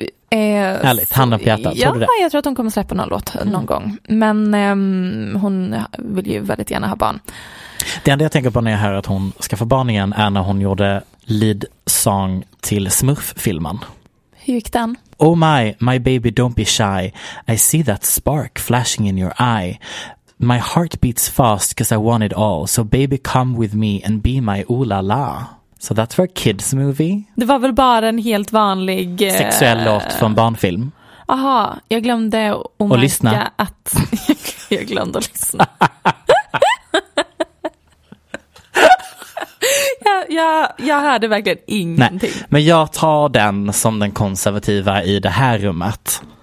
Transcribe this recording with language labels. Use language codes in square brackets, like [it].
[sv] Ärligt, handen på hjärtat. Ja, tror du det? Jag tror att hon kommer släppa någon låt någon gång. Men hon vill ju väldigt gärna ha barn. Det enda jag tänker på när jag hör att hon ska få barn igen är när hon gjorde lead song till Smurf-filmen. Hur gick den? [en] Oh my baby, don't be shy. I see that spark flashing in your eye. My heart beats fast because I want it all. So baby, come with me and be my ooh-la-la. So that's for a kids movie. [sv] Det var väl bara en helt vanlig... sexuell låt från barnfilm. Aha, jag glömde att... Och lyssna. Att... jag glömde att lyssna. Jag hörde verkligen ingenting. Nej, men jag tar den som den konservativa i det här rummet.